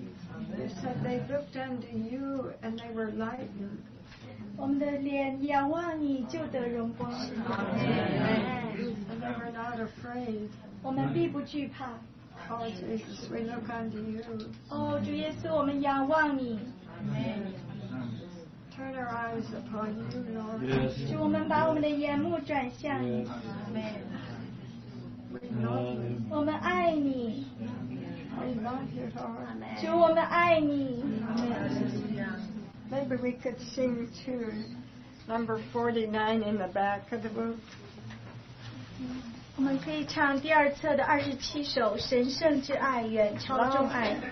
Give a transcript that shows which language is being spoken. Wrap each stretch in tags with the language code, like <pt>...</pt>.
<en>You said they looked unto you and they were lightened.</en> <zh>我们的脸仰望你就得荣光。</zh> <en>And they were not afraid.</en> <zh>我们并不惧怕。</zh> <en>Oh, Jesus, we look unto you.</en> <zh>Oh, 主耶稣，我们仰望你。</zh> <en>Amen. Turn our eyes upon you, Lord.</en> <zh>使我们把我们的眼目转向你。</zh> <en>Amen. We love you.</en> <zh>我们爱你。</zh> <en>We love you, Lord.</en> <zh>主，我们爱你。</zh> <en>Amen. Maybe we could sing to number 49 in the back of the book.</en> <zh>我们可以唱第二册的27首《神圣之爱》，远超众爱。</zh>